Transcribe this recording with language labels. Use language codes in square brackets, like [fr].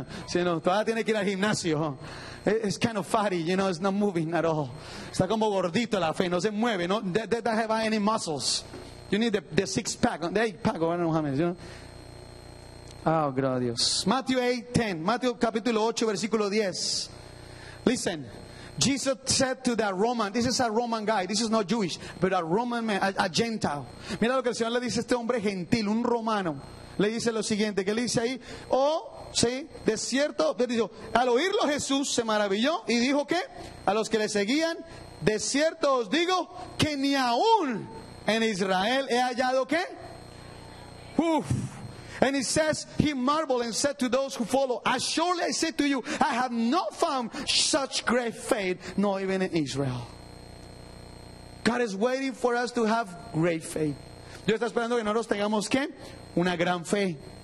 [es] Si no, todavía tiene que ir al gimnasio. [en] It's kind of fatty, you know, it's not moving at all. [es] Está como gordito la fe, no se mueve, no. [en] They don't have any muscles. You need the six pack, the eight pack, I don't know how many, you know. [es] Oh, gloria a Dios. [en] Matthew [es] capítulo 8, versículo 10. [en] Listen. Jesus said to that Roman, this is a Roman guy, this is not Jewish, but a Roman man, a Gentile. [es] Mira lo que el Señor le dice a este hombre gentil, un romano. Le dice lo siguiente, que le dice ahí, oh, sí, de cierto, al oírlo Jesús se maravilló y dijo que a los que le seguían, de cierto os digo que ni aún en Israel he hallado que, uff. [en] And he says, he marveled and said to those who follow, as surely I say to you, I have not found such great faith, not even in Israel. God is waiting for us to have great faith. [es] Dios está esperando que nosotros tengamos, ¿qué? Una gran fe.